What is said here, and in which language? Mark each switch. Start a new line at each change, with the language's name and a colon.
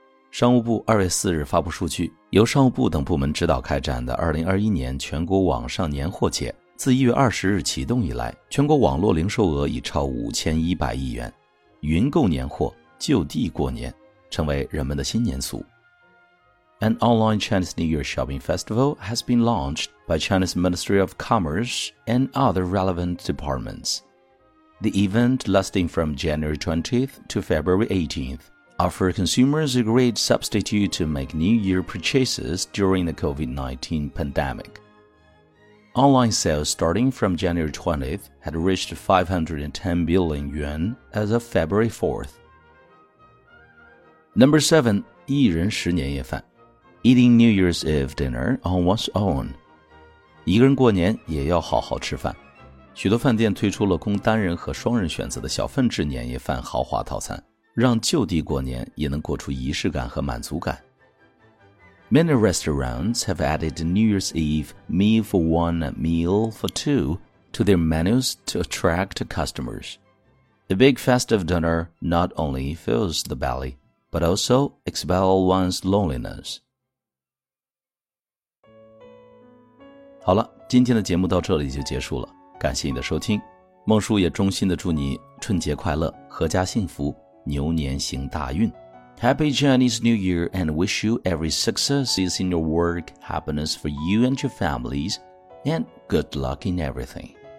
Chinese: 商务部2月4日发布数据，由商务部等部门指导开展的2021年全国网上年货节，自1月20日启动以来，全国网络零售额已超5100亿元。云购年货就地过年成为人们的新年俗。
English: An online Chinese New Year shopping festival has been launched by China's Ministry of Commerce and other relevant departments. The event, lasting from January 20th to February 18th, offers consumers a great substitute to make New Year purchases during the COVID-19 pandemic. Online sales starting from January 20th had reached 510 billion yuan as of February 4th. Number 7. 一人食年夜饭 Eating New Year's Eve dinner on one's own.
Chinese: 一个人过年也要好好吃饭。许多饭店推出了供单人和双人选择的小份制年夜饭豪华套餐，让就地过年也能过出仪式感和满足感。
English: Many restaurants have added New Year's Eve meal for one and meal for two to their menus to attract customers. The big festive dinner not only fills the belly,but also expel one's loneliness.
Chinese: 好了，今天的节目到这里就结束了，感谢你的收听。孟叔也衷心地祝你春节快乐，阖家幸福，牛年行大运。
English: Happy Chinese New Year and wish you every success in your work, happiness for you and your families, and good luck in everything.